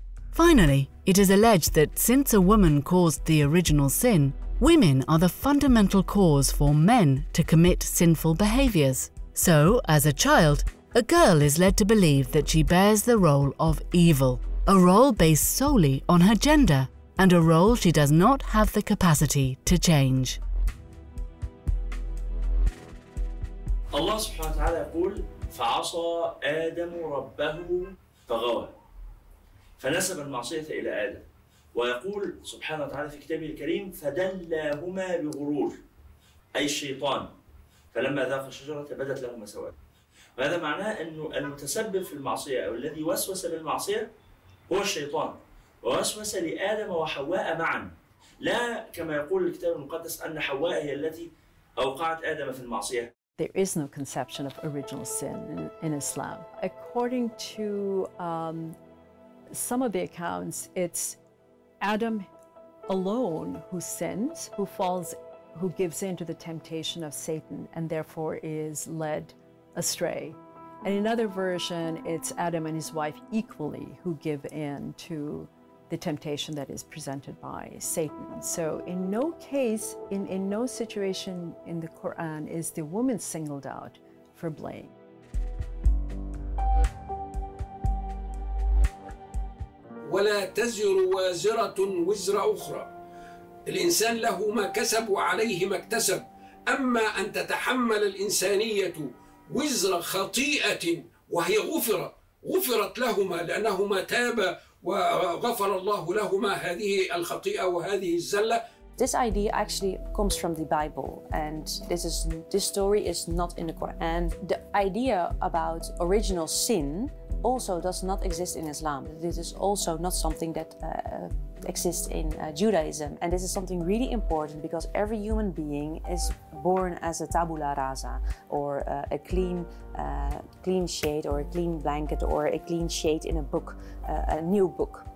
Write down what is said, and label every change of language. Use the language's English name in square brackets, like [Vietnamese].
[English] Finally, it is alleged that since a woman caused the original sin, women are the fundamental cause for men to commit sinful behaviors. So, as a child, a girl is led to believe that she bears the role of evil, a role based solely on her gender, and a role she does not have the capacity to change. [Arabic] Allah subhanahu wa ta'ala يقول فعصى آدم ربه فغوى فنسب المعصية إلى آدم ويقول سبحانه وتعالى في كتابه الكريم فدلاهما بغرور أي الشيطان فلما ذاق الشجرة بدت لهما سواد وهذا معناه أنه المتسبب في المعصية أو الذي وسوس بالمعصية هو الشيطان ووسوس لآدم وحواء معا لا كما يقول الكتاب المقدس أن حواء هي التي أوقعت آدم في المعصية [English] There is no conception of original sin in Islam. According to some of the accounts, it's Adam alone who sins, who falls, who gives in to the temptation of Satan and therefore is led astray. And in another version, it's Adam and his wife equally who give in to the temptation that is presented by Satan. So in no case, in no situation in the Quran is the woman singled out for blame. [Arabic] ولا تزر وازرة وزر أخرى. الإنسان له ما كسب وعليه ما اكتسب. أما أن تتحمل الإنسانية وزر خطيئة وهي غفرت لهما لأنهما تابا وغفر الله لهما هذه الخطيئة وهذه الزلة. [English] This idea actually comes from the Bible, and this story is not in the Quran. The idea about original sin also does not exist in Islam. This is also not something that exists in Judaism, and this is something really important because every human being is born as a tabula rasa, or a clean sheet, or a clean blanket, or a clean sheet in a book, a new book.